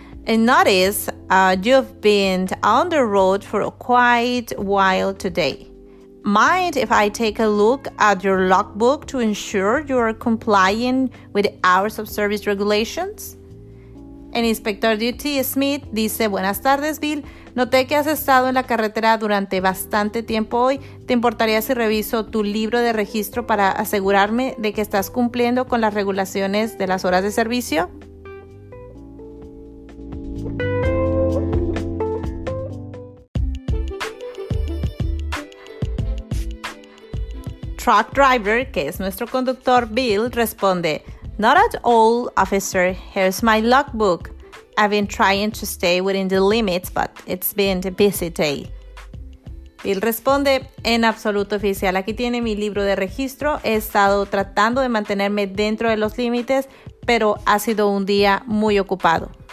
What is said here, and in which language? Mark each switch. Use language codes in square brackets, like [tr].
[en] And notice, you've been on the road for quite a while today. Mind if I take a look at your logbook to ensure you are complying with hours of service regulations? [es] El inspector Duty Smith dice, buenas tardes, Bill. Noté que has estado en la carretera durante bastante tiempo hoy. ¿Te importaría si reviso tu libro de registro para asegurarme de que estás cumpliendo con las regulaciones de las horas de servicio? Truck driver, que es nuestro conductor Bill, responde, [en] not at all, officer. Here's my logbook. I've been trying to stay within the limits, but it's been a busy day. [es] Bill responde, en absoluto, oficial. Aquí tiene mi libro de registro. He estado tratando de mantenerme dentro de los límites, pero ha sido un día muy ocupado.